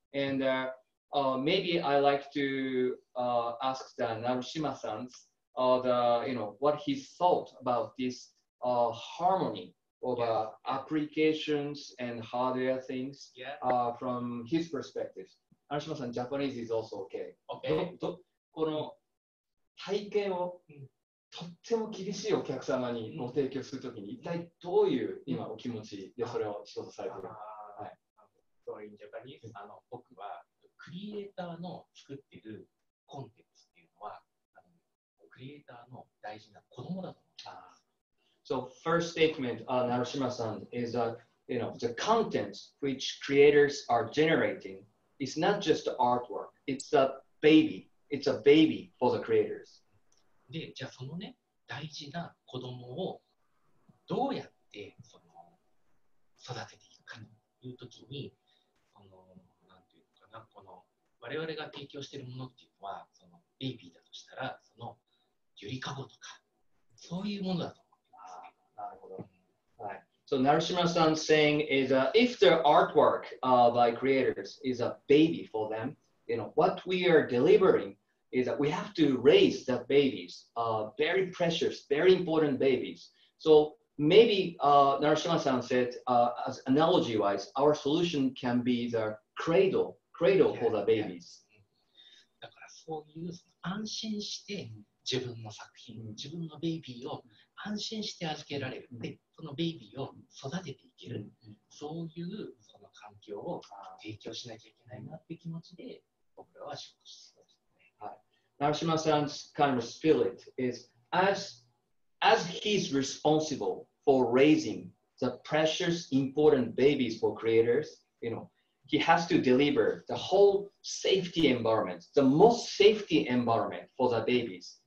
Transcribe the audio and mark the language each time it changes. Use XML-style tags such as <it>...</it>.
<en>And maybe I like to ask the Narushima-san what he thought about this harmony of applications and hardware things from his perspective. Narushima-san, Japanese is also okay. Okay.</en> <ja>この体験をとっても厳しいお客様にご提供するときに一体どういう今お気持ちでそれを仕事されてるか。はい。 Japanese、僕はクリエイターの作っているコンテンツっていうのはクリエイターの大事な子供だと思います。</ja> <en>So first statement, Narushima-san, is that, you know, the contents which creators are generating,It's not just the artwork. It's a baby. It's a baby for the creators.</en> <ja>で、じゃあそのね、大事な子供をどうやってその育てていくかというときに、その、なんていうかな、この我々が提供しているものっていうのは、そのベイビーだとしたら、そのゆりかごとか、そういうものだと思います。なるほど。はい。</ja> <en>So Narushima-san saying is if the artwork by creators is a baby for them, you know, what we are delivering is that we have to raise the babies, very precious, very important babies. So maybe Narushima-san said as analogy wise, our solution can be the cradle yeah, for the babies.</en> <ja>だからそういう安心して自分の作品、自分のベイビーを安心して預けられる。で、そのベイビーを育てていける。そういうその環境を提供しなきゃいけないなって気持ちで、僕らは仕事してますね。はい。</ja> <en>Narushima-san's kind of spirit is as he's responsible for raising the precious important babies for creators, you know, he has to deliver the whole safety environment, the most safety environment for the babies.</en>